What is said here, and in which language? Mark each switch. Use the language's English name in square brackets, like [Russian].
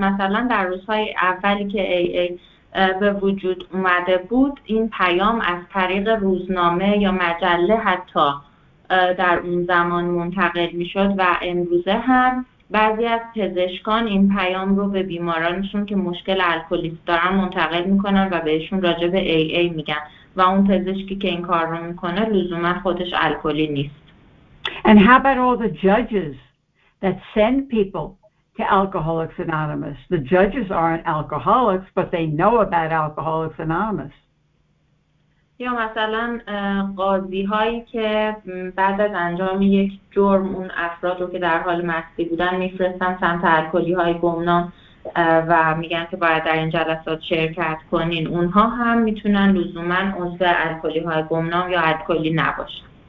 [Persian] مثلا در روزهای اولی که AA به وجود اومده بود، این پیام از طریق روزنامه یا مجله حتی در اون زمان منتقل میشد، و امروزه هم بعضی از پزشکان این پیام رو به بیمارانشون که مشکل الکلیست دارن منتقل میکنن و بهشون راجع به AA میگن، و اون پزشکی که این کار رو میکنه لزوما خودش الکلی نیست. [English] And how about all the judges that send people to Alcoholics Anonymous? The judges aren't alcoholics, but they know about Alcoholics Anonymous. [Persian] یا مثلا قاضی هایی که بعد از انجام یک جرم اون افراد رو که در حال مستی بودن میفرستن سمت الکلی های گمنام، و میگن که باید در این جلسات شرکت کنین، اونها هم میتونن لزوماً عضو الکلی های گمنام یا الکلی نباشن.